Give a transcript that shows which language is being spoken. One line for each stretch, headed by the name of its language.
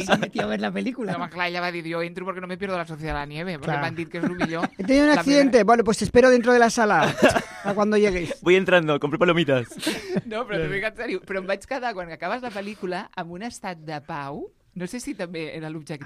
Spanish: Se metió a ver la pel·lícula.
Catalan: No, clar, ella va dir, jo entro perquè
Spanish: no me pierdo
Catalan: la Sociedad de la Nieve, perquè claro. M'han dit que és el millor.
Spanish: He tenido un accidente, primera... bueno, pues espero dentro de la sala, a cuando llegues. Voy entrando, compré palomitas.
Catalan: No, però t'ho dic en sèrio. Però em vaig quedar, quan acabes la pel·lícula, amb un estat de pau. No sé si també era l'objectiu.